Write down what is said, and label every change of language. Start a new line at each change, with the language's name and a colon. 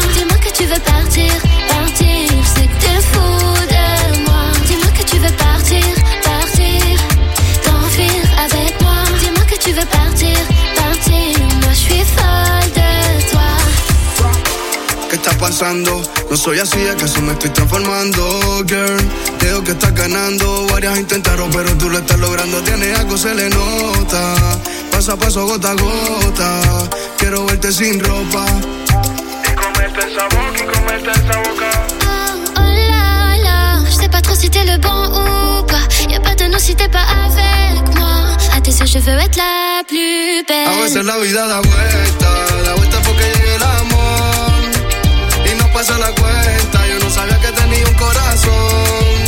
French: Dis-moi que tu veux partir, partir, c'est que t'es fou de moi. Dis-moi que tu veux partir, partir, t'enfuir avec moi. Dis-moi que tu veux partir, partir, moi je suis folle de toi.
Spanish: ¿Qué está pasando? No soy así, acaso me estoy transformando, girl. Creo que estás ganando, varias intentaron, pero tú lo estás logrando. Tiene algo, se le nota, paso a paso, gota a gota. Quiero verte sin ropa y comerte esa boca, y comerte esa boca.
French: Oh, oh la la, je sais pas trop si t'es le bon ou pas. Y'a pas de nous si t'es pas avec moi. A tes yeux, je veux être la plus belle.
Spanish: A veces la vida da vuelta, da vuelta porque llegue el amor. Y no pasa la cuenta, yo no sabía que tenía un corazón.